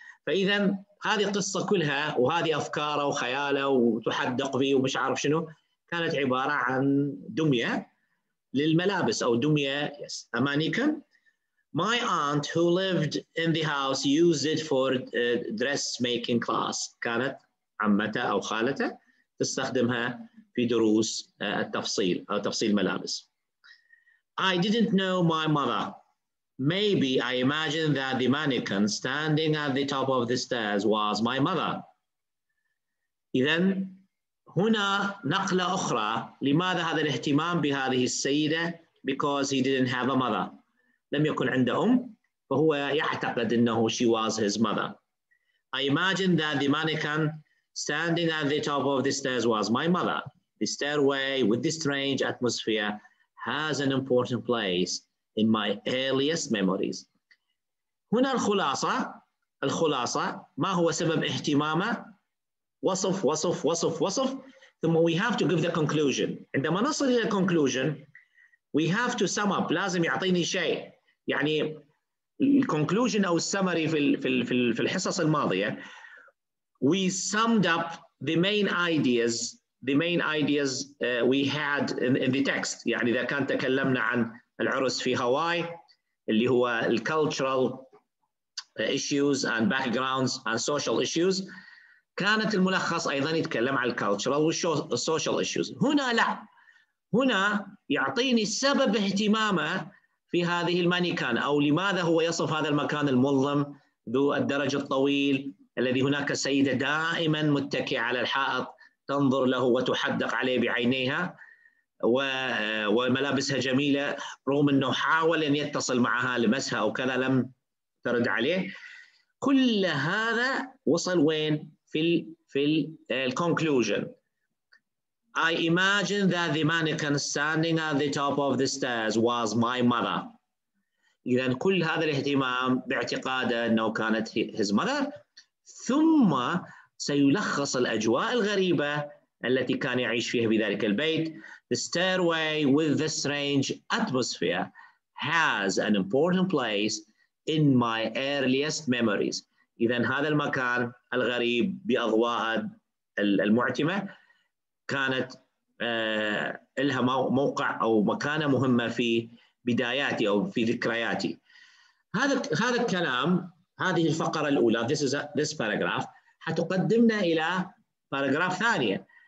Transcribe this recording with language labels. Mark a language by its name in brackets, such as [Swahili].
[Arabic] فإذا هذه القصة كلها وهذه أفكاره وخياله وتحدق به ومش عارف شنو، كانت عبارة عن دمية للملابس أو دمية أمانيكا. [English] My aunt who lived in the house used it for dressmaking class. [Arabic] كانت عمتها أو خالتها تستخدمها في دروس التفصيل أو تفصيل ملابس. [English] I didn't know my mother. Maybe I imagined that the mannequin standing at the top of the stairs was my mother. [Arabic] إذن هنا نقلة أخرى. لماذا هذا الاهتمام بهذه السيدة؟ [English] Because he didn't have a mother. [Arabic] لم يكن عنده أم، فهو يعتقد أنه [English] she was his mother. I imagined that the mannequin standing at the top of the stairs was my mother. The stairway with the strange atmosphere has an important place in my earliest memories. [Arabic] هنا الخلاصة. الخلاصة ما هو سبب اهتمامه؟ وصف وصف وصف وصف. ثم [English] we have to give the conclusion. [Arabic] عندما نصل إلى conclusion [English] we have to sum up. [Arabic] لازم يعطيني شيء. يعني conclusion أو summary في الحصص الماضية [English] we summed up the main ideas. The main ideas we had in the text. [Arabic] يعني إذا كان تكلمنا عن العرس في هاواي اللي هو الكالتشرال [English] issues and backgrounds and social issues. [Arabic] كانت الملخص أيضا يتكلم على cultural social issues. هنا لا، هنا يعطيني سبب اهتمامه في هذه المانيكان أو لماذا هو يصف هذا المكان المظلم ذو الدرج الطويل الذي هناك سيدة دائما متكئة على الحائط تنظر له وتحدق عليه بعينيها وملابسها جميلة رغم أنه حاول أن يتصل معها لمسها أو كذا لم ترد عليه. كل هذا وصل وين؟ في الconclusion. [English] I imagine that the mannequin standing at the top of the stairs was my mother. [Arabic] إذن كل هذا الاهتمام باعتقاده أنه كانت [English] his mother. [Arabic] ثم سيلخص الأجواء الغريبة التي كان يعيش فيها بذلك البيت. [English] The stairway with the strange atmosphere has an important place in my earliest memories. [Arabic] إذن هذا المكان الغريب بأضواء المعتمة كانت لها موقع أو مكانة مهمة في بداياتي أو في ذكرياتي. هذا الكلام، هذه الفقرة الأولى، this paragraph، حتقدمنا إلى paragraph ثانية.